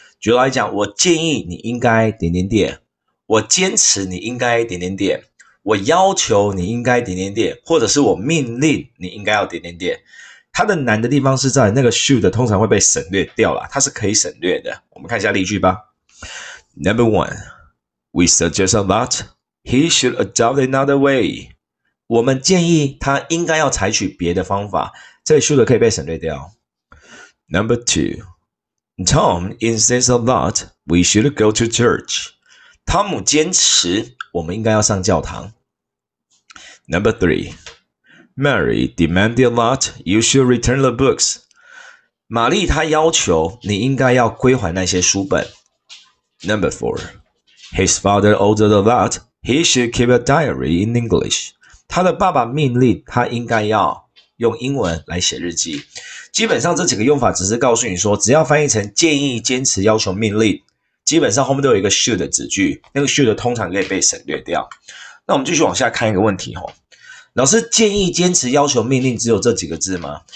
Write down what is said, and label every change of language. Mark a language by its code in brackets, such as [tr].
[zh] 举例来讲，我建议你应该点点点，我坚持你应该点点点，我要求你应该点点点，或者是我命令你应该要点点点。它的难的地方是在那个 should 通常会被省略掉啦，它是可以省略的。我们看一下例句吧。 [en] Number one, we suggest that he should adopt another way. [zh] 我们建议他应该要采取别的方法。这里 should 可以被省略掉。 [en] Number two, Tom insists that we should go to church. [zh] 汤姆坚持我们应该要上教堂。 [en] Number three,Mary demanded that you should return the books. [zh] 玛丽她要求你应该要归还那些书本。 [en] Number four, his father ordered that he should keep a diary in English. [zh] 他的爸爸命令他应该要用英文来写日记。基本上这几个用法只是告诉你说，只要翻译成建议、坚持、要求、命令，基本上后面都有一个 should 的子句，那个 should 通常可以被省略掉。那我们继续往下看一个问题哦。老师，建议、坚持、要求、命令只有这几个字吗？